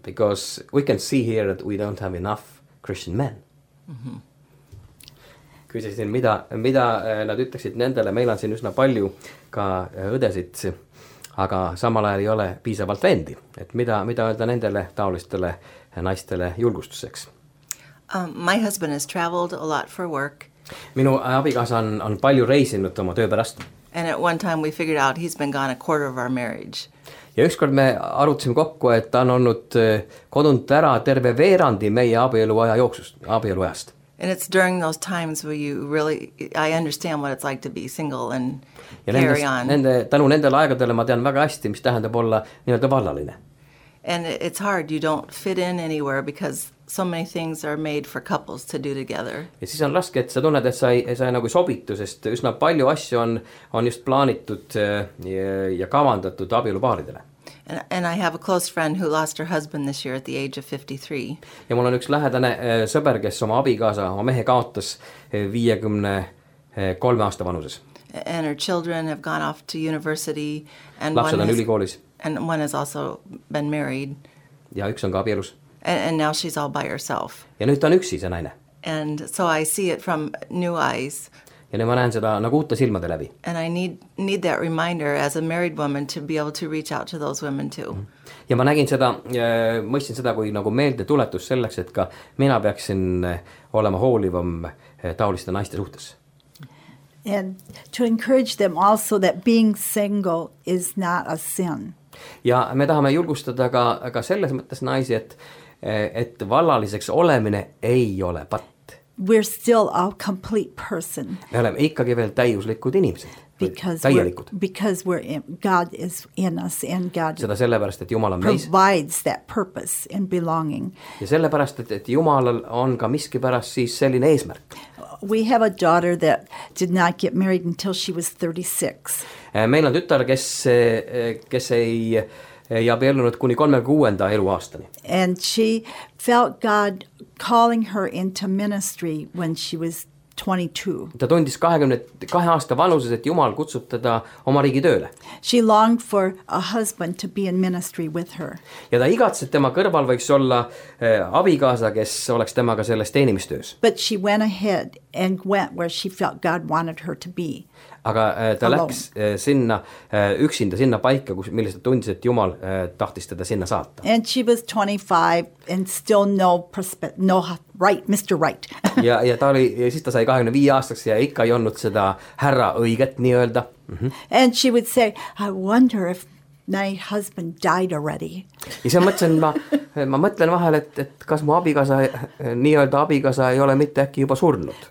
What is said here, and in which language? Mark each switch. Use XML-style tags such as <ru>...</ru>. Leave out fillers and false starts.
<en>Because we can see here that we don't have enough Christian men.</en> <et>Mm-hmm. Küsisin, mida nad ütleksid nendele. Meil on siin üsna palju ka õdesid, aga samal ajal ei ole piisavalt vendi. Et mida öelda nendele taolistele naistele julgustuseks?</et> <en>My husband has traveled a lot for work.</en> <et>Minu abikaas on palju reisinud oma töö pärast.</et> <en>And at one time we figured out he's been gone a quarter of our marriage.</en> <et>Ja ükskord me arutasime kokku, et ta on olnud kodunt ära terve veerandi meie abieluajast.</et> <en>And it's during those times where you really, I understand what it's like to be single and</en> <et>ja carry nendest, on. Tänu nendele aegadele ma tean väga hästi, mis tähendab olla nii-öelda vallaline.</et> <en>And it's hard, you don't fit in anywhere because so many things are made for couples to do together.</en> <et>Ja siis on raske, et sa tunned, et sa ei nagu sobitu, sest üsna palju asju on just plaanitud ja kavandatud abielupaaridele.</et> <en>And I have a close friend who lost her husband this year at the age of 53.</en> <et>Ja mul on üks lähedane sõber, kes oma abikaasa, oma mehe kaotas 50, kolme aasta vanuses.</et> <en>And her children have gone off to university. And</en> <et>lapsed on ülikoolis.</et> <en>And one has also been married.</en> <et>Ja üks on ka abielus.</et> <en>And now she's all by herself.</en> <et>Ja nüüd on üksi see naine.</et> <en>And so I see it from new eyes.</en> <et>Ja nüüd ma näen seda nagu uute silmade läbi.</et> <en>And I need that reminder as a married woman to be able to reach out to those women too.</en> <et>Ja ma nägin seda, mõistsin seda kui nagu meelde tuletus selleks, et ka mina peaksin olema hoolivam taoliste naiste suhtes.</et> <en>And to encourage them also that being single is not a sin.</en> <et>Ja me tahame julgustada ka selles mõttes naisi, et vallaliseks olemine ei ole patt.</et> <en>We're still a complete person.</en> <et>Me oleme ikkagi veel täiuslikud inimesed.</et> <en>Because God is in us and God</en> <et>seda sellepärast, et Jumal on meis.</et> <en>Provides that purpose and belonging.</en> <et>Ja sellepärast, et Jumalal on ka miski pärast siis selline eesmärk.</et> <en>We have a daughter that did not get married until she was 36.</en> <et>Meil on tüttar, kes ei abiellunud kuni 36. eluaastani.</et> <en>And she felt God calling her into ministry when she was 22.</en> <et>Ta tundis 22 aasta vanuses, et Jumal kutsub teda oma riigi tööle.</et> <en>She longed for a husband to be in ministry with her.</en> <et>Ja ta igatse, et tema kõrval võiks olla abikaasa, kes oleks temaga selles teenimistöös.</et> <en>But she went ahead and went where she felt God wanted her to be.</en> <et>Aga ta alone. Läks sinna üksinda, sinna paika, kus millest ta tundis, et Jumal tahtis teda sinna saata.</et> <en>And she was 25 and still no prospect, no right, Mr. Right.</en> <et>ja ta oli, ja siis ta sai 25 aastaks ja ikka ei olnud seda härra õiget nii öelda. Mm-hmm.</et> <en>And she would say, I wonder if my husband died already.</en> <et>Ja see ma mõtlen vahel, et kas mu abikasa, nii öelda abikasa ei ole mitte äkki juba surnud.</et>